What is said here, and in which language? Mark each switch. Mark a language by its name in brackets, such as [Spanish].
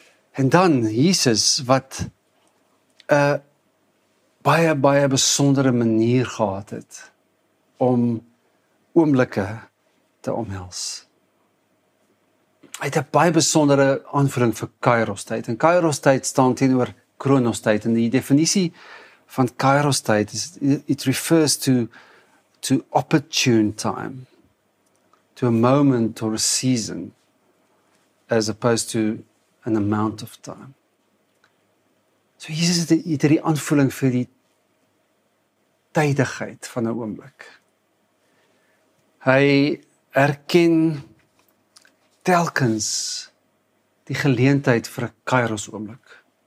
[Afrikaans] En dan Jesus wat 'n baie baie besondere manier gehad het om oomblikke te omhels. Hy het 'n baie besondere aanvulling vir Kairos tyd. En Kairos tyd staan teenoor Kronos tyd. En die definisie van Kairos tyd is [English] it refers to opportune time, to a moment or a season as opposed to an amount of time. [Afrikaans] So Jesus het hierdie aanvulling vir die tydigheid van 'n oomblik. Hy erken telkens die geleentheid vir 'n kairos oomblik.